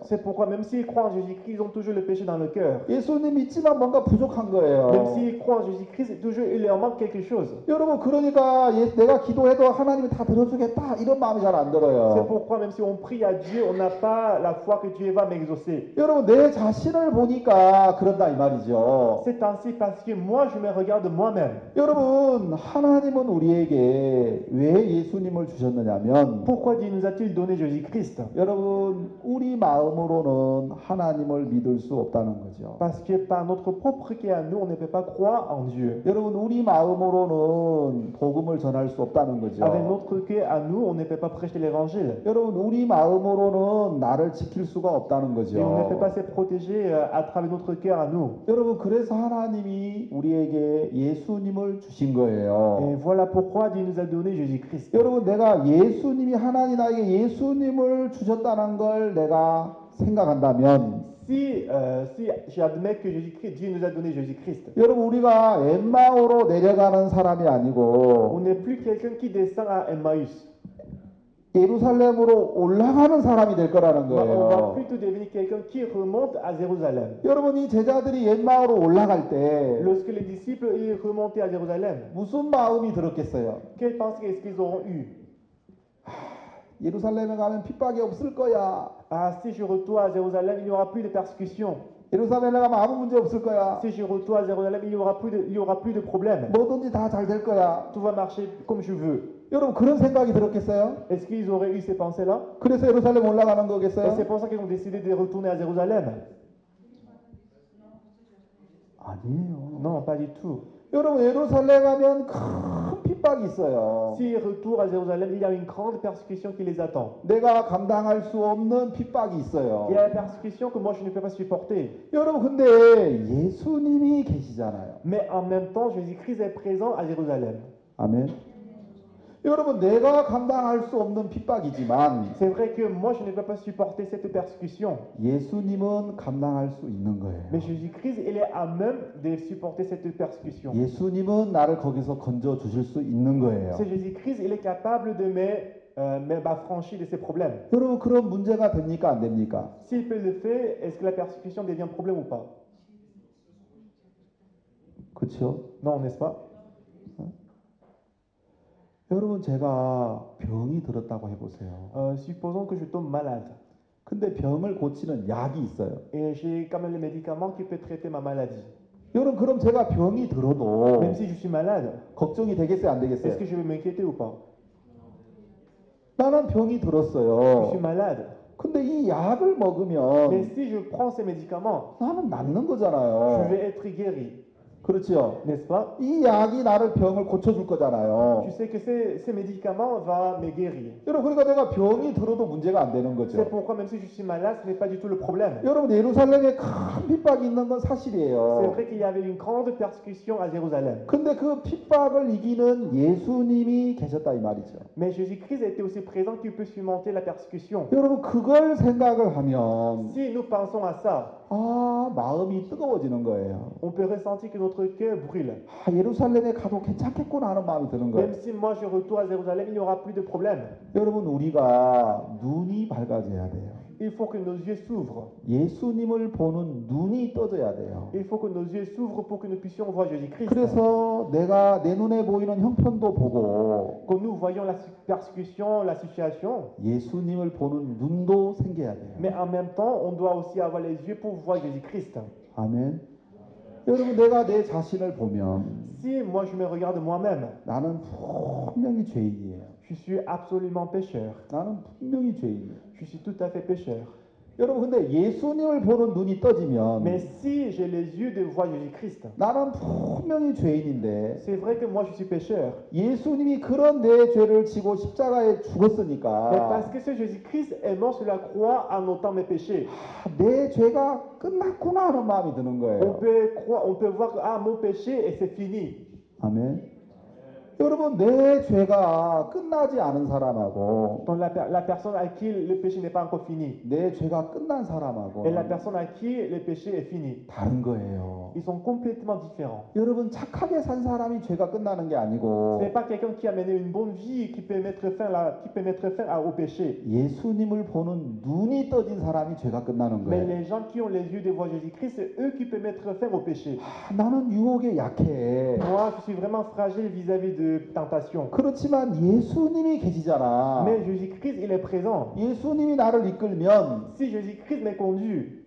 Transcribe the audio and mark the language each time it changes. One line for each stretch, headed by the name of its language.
French: C'est pourquoi même s'ils croient en Jésus-Christ, ils ont toujours le péché dans le cœur.
Korean: 예수님 믿지만 뭔가 부족한 거예요.
French: Même s'ils croient en Jésus-Christ, toujours il leur manque quelque chose.
Korean: 여러분 그러니까 내가 기도해도 하나님이 다 들어주겠다 이런 마음이 잘 안 들어요.
French: C'est pourquoi même si on prie à Dieu, on n'a pas la foi que Dieu va m'exaucer.
Korean: 여러분 내 자신을 보니까 그런다 이 말이죠.
French: C'est ainsi parce que moi je me regarde moi-même.
Korean: 여러분 하나님은 우리에게 왜 예수님을 주셨느냐면
French: Pourquoi Dieu nous a-t-il donné Jésus-Christ?
Korean: 여러분 우리 마음으로는 하나님을 믿을 수 없다는 거죠.
French: Parce que par notre propre cœur à nous, on ne peut pas croire en Dieu.
Korean: 여러분 우리 마음으로는 복음을 전할 수 없다는 거죠.
French: Avec notre cœur à nous, on ne peut pas prêcher l'évangile.
Korean: 여러분 우리 마음으로는 나를 지킬 수가 없다는 거죠.
French: Et on ne peut pas se protéger à travers notre cœur à nous.
Korean: 여러분 그래서 하나님이 우리에게 예수님을 주신 거예요.
French: Et voilà pourquoi Dieu nous a donné Jésus-Christ.
Korean: 여러분 내가 예수님이 하나님 나에게 예수님을 주셨다는 걸 내가 생각한다면
French: si j'admets que Jésus-Christ Dieu nous a donné Jésus-Christ.
Korean: 여러분 우리가 엠마오로 내려가는 사람이 아니고
French: on n'est plus quelqu'un qui descend à Emmaüs.
Korean: 예루살렘으로 올라가는 사람이 될 거라는 거예요.
French: On va plutôt devenir quelqu'un qui remonte à Jérusalem.
Korean: 여러분 이 제자들이 엠마오로 올라갈 때
French: lorsque les disciples ils remontaient à Jérusalem.
Korean: 무슨 마음이 들었겠어요?
French: Quel pensée est-ce qu'ils auront eu?
Korean: 예루살렘에 가면 핍박이 없을 거야.
French: Ah, si je retourne à Jérusalem, il n'y aura plus de persécution.
Korean: 예루살렘에 아무 문제 없을 거야.
French: Si je retourne à Jérusalem, il y aura plus de problèmes.
Korean: 뭐든지 다 잘 될 거야.
French: Tout va marcher comme je veux.
Korean: 여러분 그런 생각이 들었겠어요?
French: Est-ce qu'ils auraient eu ces pensées-là?
Korean: 그래서 예루살렘 올라가는 거겠어요?
French: Et c'est pour ça qu'ils ont décidé de retourner à Jérusalem.
Korean: 아니에요.
French: Non, pas du tout.
Korean: 여러분 예루살렘 가면 큰 핍박이 있어요.
French: Si ils retournent à Jérusalem, il y a une grande persécution qui les attend.
Korean: 내가 감당할 수 없는 핍박이 있어요.
French: Il y a une persécution que moi je ne peux pas supporter.
Korean: 여러분 근데 예수님이 계시잖아요.
French: Mais en même temps, Jésus-Christ est présent à Jérusalem.
Korean: 아멘. 여러분 내가 감당할 수 없는 핍박이지만
French: C'est vrai que moi je ne peux pas supporter cette persécution.
Korean: 예수님은 감당할 수 있는 거예요.
French: Mais Jésus-Christ il est à même de supporter cette persécution.
Korean: 예수님은 나를 거기서 건져 주실 수 있는 거예요.
French: C'est Jésus-Christ il est capable de m'affranchir de ces problèmes.
Korean: 여러분 그런 문제가 됩니까 안 됩니까?
French: S'il peut le faire, est-ce que la persécution devient problème ou pas?
Korean: 그렇죠?
French: Non, n'est-ce pas?
Korean: 여러분 제가 병이 들었다고 해보세요.
French: Supposons que je tombe malade.
Korean: 근데 병을 고치는 약이 있어요.
French: Et j'ai quand même les médicaments qui peuvent traiter ma maladie.
Korean: 여러분 그럼 제가 병이 들어도
French: Même si je suis malade,
Korean: 걱정이 되겠어요 안 되겠어요?
French: Est-ce que je vais m'inquiéter ou pas?
Korean: 나는 병이 들었어요.
French: Je suis malade.
Korean: 근데 이 약을 먹으면
French: Mais si je prends ces médicaments,
Korean: 나는 낫는 거잖아요.
French: Je vais être guéri.
Korean: 그렇죠.
French: N'est-ce pas?
Korean: 이 약이 나를 병을 고쳐줄 거잖아요.
French: Tu sais que ces médicaments vont me guérir.
Korean: 여러분 그러니까 내가 병이 들어도 문제가 안 되는 거죠.
French: C'est pourquoi même si je suis malade, ce n'est pas du tout le problème.
Korean: 여러분 예루살렘에 큰 핍박이 있는 건 사실이에요.
French: C'est vrai qu'il y avait une grande persécution à Jérusalem.
Korean: 근데 그 핍박을 이기는 예수님이 계셨다 이 말이죠.
French: Mais Jésus-Christ était aussi présent qu'il peut surmonter la persécution.
Korean: 여러분 그걸 생각을 하면
French: Si nous pensons à ça.
Korean: 아, 마음이 뜨거워지는 거예요.
French: On peut ressentir que notre cœur brûle.
Korean: 아, 예루살렘에 가도 괜찮겠구나 하는 마음이 드는 거예요.
French: Même si moi je retourne à Jérusalem, il n'y aura plus de problème.
Korean: 여러분, 우리가 눈이 밝아져야 돼요.
French: Il faut que nos yeux s'ouvrent.
Korean: 예수님을 보는 눈이 떠져야 돼요.
French: Il faut que nos yeux s'ouvrent pour que nous puissions voir Jésus-Christ.
Korean: 그래서 내가 내 눈에 보이는 형편도 보고
French: que nous voyons la persécution, la situation.
Korean: 예수님을 보는 눈도 생겨야 돼요.
French: Mais en même temps, on doit aussi avoir les yeux pour voir Jésus-Christ.
Korean: 아멘. 여러분 내가 내 자신을 보면
French: Si moi je me regarde moi-même.
Korean: 나는 분명히 죄인이에요.
French: Je suis absolument pécheur.
Korean: 나는 분명히 죄인이에요.
French: Je suis tout à fait pécheur.
Korean: 여러분 근데 예수님을 보는 눈이 떠지면
French: Mais si j'ai les yeux de voir Jésus-Christ.
Korean: 나는 분명히 죄인인데
French: C'est vrai que moi je suis pécheur.
Korean: 예수님이 그런 내 죄를 지고 십자가에 죽었으니까
French: Mais parce que ce Jésus-Christ est mort sur la croix en ôtant mes péchés.
Korean: 내 죄가 끝났구나 하는 마음이 드는 거예요.
French: On peut voir que ah, mon péché et c'est fini.
Korean: 아멘. 여러분 내 죄가 끝나지 않은 사람하고
French: la personne à qui le péché n'est pas encore fini
Korean: 내 죄가 끝난 사람하고
French: et la personne à qui le péché est fini
Korean: 다른 거예요.
French: Ils sont complètement différents.
Korean: 여러분 착하게 산 사람이 죄가 끝나는 게 아니고
French: ce n'est pas quelqu'un qui a mené une bonne vie qui peut mettre fin là qui peut mettre fin au péché.
Korean: 예수님을 보는 눈이 떠진 사람이 죄가 끝나는 거예요.
French: Mais les gens qui ont les yeux de voir Jésus-Christ c'est eux qui peuvent mettre fin au péché.
Korean: 나는 유혹에 약해.
French: Moi je suis vraiment fragile vis-à-vis de tentation.
Korean: 그렇지만 예수님이 계시잖아.
French: Mais Jésus-Christ il est présent.
Korean: 예수님이 나를 이끌면
French: Si Jésus-Christ m'est conduit,